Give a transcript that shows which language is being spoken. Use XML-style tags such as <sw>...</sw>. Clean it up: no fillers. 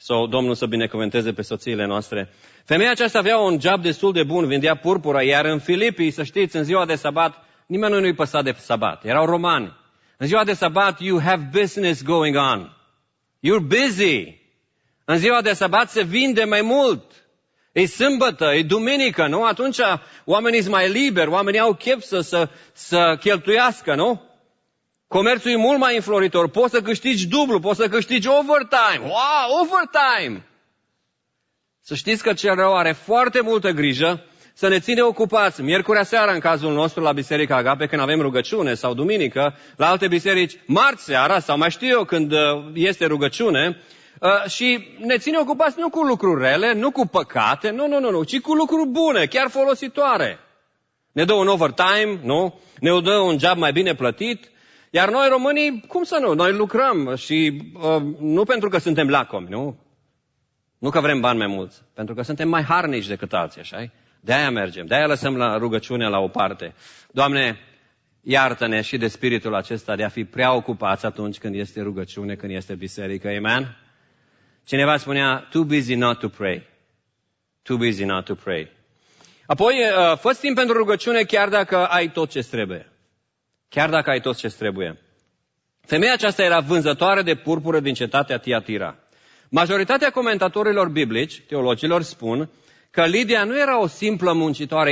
<ro>Domnul să binecuvânteze pe soțiile noastre. Femeia aceasta avea un job destul de bun, vindea purpură, iar în Filipii, să știți, în ziua de sabat, nimeni nu-i păsa de sabat. Erau romani. În ziua de sabat,</ro> <en>you have business going on. You're busy.</en> <ro>În ziua de sabat se vinde mai mult. E sâmbătă, e duminică, nu? Atunci oamenii sunt mai liberi, oamenii au chef să cheltuiască, nu? Comerțul e mult mai înfloritor. Poți să câștigi dublu, poți să câștigi overtime. Wow, overtime! Să știți că cel rău are foarte multă grijă să ne ține ocupați. Miercurea seara, în cazul nostru, la Biserica Agape, când avem rugăciune, sau duminică, la alte biserici, marți seara, sau mai știu eu când este rugăciune, și ne ține ocupați nu cu lucruri rele, nu cu păcate, nu, ci cu lucruri bune, chiar folositoare. Ne dă un overtime, nu? Ne dă un job mai bine plătit. Iar noi românii, cum să nu? Noi lucrăm și nu pentru că suntem lacomi, nu? Nu că vrem bani mai mulți, pentru că suntem mai harnici decât alții, așa-i? De-aia mergem, de-aia lăsăm la rugăciunea la o parte. Doamne, iartă-ne și de spiritul acesta de a fi prea ocupați atunci când este rugăciune, când este biserică. Amen? Cineva spunea,</ro> <en>too busy not to pray. Too busy not to pray.</en> <ro>Apoi, fă-ți timp pentru rugăciune chiar dacă ai tot ce trebuie. Chiar dacă ai tot ce trebuie. Femeia aceasta era vânzătoare de purpură din cetatea Tiatira. Majoritatea comentatorilor biblici, teologilor, spun că Lidia nu era o simplă muncitoare.</ro>